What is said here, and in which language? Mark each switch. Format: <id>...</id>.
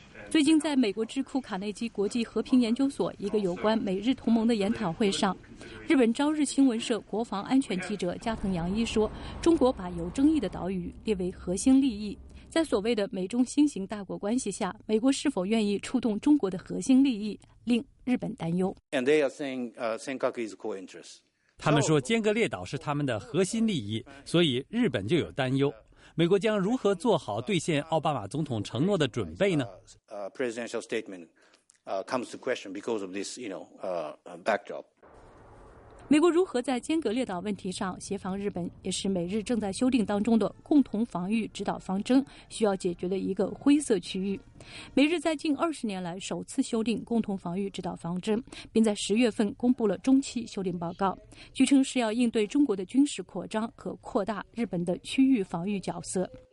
<zh>最近在美国智库卡内基国际和平研究所一个有关美日同盟的研讨会上，日本朝日新闻社国防安全记者加藤洋一说，中国把有争议的岛屿列为核心利益，在所谓的美中新型大国关系下，美国是否愿意触动中国的核心利益令日本担忧。他们说尖阁列岛是他们的核心利益，所以日本就有担忧，美国将如何做好兑现奥巴马总统承诺的准备呢？</zh> <en>Presidential statement comes to question because of this, you know, backdrop.</en> <zh>美国如何在尖阁列岛问题上协防日本，也是美日正在修订当中的共同防御指导方针需要解决的一个灰色区域。美日在近20年来首次修订共同防御指导方针，并在10月份公布了中期修订报告，据称是要应对中国的军事扩张和扩大日本的区域防御角色。</zh>